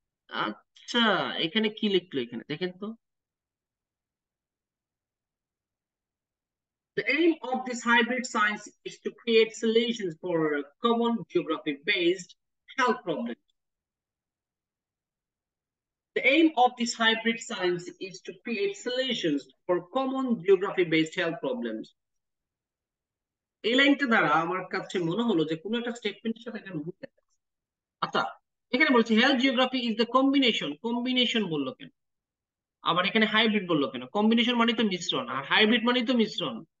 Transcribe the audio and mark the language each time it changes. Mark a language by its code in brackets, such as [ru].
[bn] আচ্ছা, এখানে কি লিখলো, এখানে দেখেন তো, [en] The aim of this hybrid science is to create solution for common geography based health problem. The aim of this hybrid science is to create solutions for common geography-based health problems. [bn] এই লাইনটা দ্বারা আমার কাছে মনে হলো যে কোনো একটা স্টেটমেন্টের সাথে এটা মুখ দেখা। আচ্ছা, এখানে বলছি [en] health geography is the combination, [bn] combination বললো কেন, আবার এখানে হাইব্রিড বললো কেন? কম্বিনেশন মানে তো মিশ্রণ, আর হাইব্রিড মানে তো মিশ্রণ।